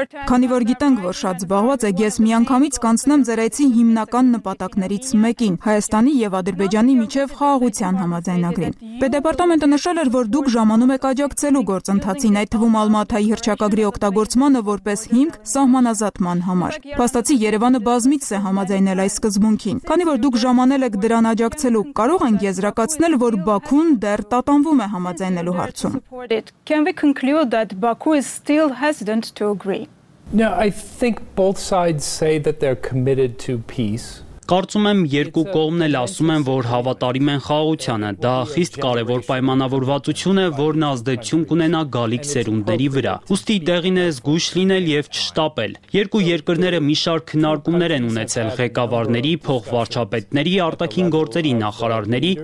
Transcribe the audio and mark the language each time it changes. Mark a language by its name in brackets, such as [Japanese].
[Armenian] Քանի որ գիտենք, որ շատ զբաղված եք, ես միանգամից կանցնեմ ձեր այցի հիմնական նպատակներից մեկին՝ Հայաստանի և Ադրբեջանի միջև խաղաղության համաձայնագրին։ Պետդեպարտամենտը նշել էր, որ դուք ժամանում եք աջակցելու գործընթացին, այդ թվում Ալմաթայի հռչակագրի օգտագործմանը որպես հիմք սահմանազատման համար։ Փաստացի Երևանը բազմից է համաձայնել այս սկզբունքին։ Քանի որ դուք ժամանել եք դրան աջակցելու, կարող ենք եզրակացնել, որ Բաքուն դեռ տատանվում է համաձայնելու հարցում։ [English] Can we conclude that Baku is still hesitant to agree? No, I think both sides say that they're committed to peace. [Armenian] Կարծում եմ, երկու կողմն էլ ասում են, որ հավատարիմ են խաղաղությանը։ Դա խիստ կարևոր պայմանավորվածություն է, որն ազդեցություն կունենա գալիք սերունդների վրա։ Ուստի տեղին է զգուշ լինել և չշտապել։ Երկու երկրները մի շարք հնարկումներ են ունեցել ղեկավարների, փոխվարչապետների, արտաքին գործերի նախարարների,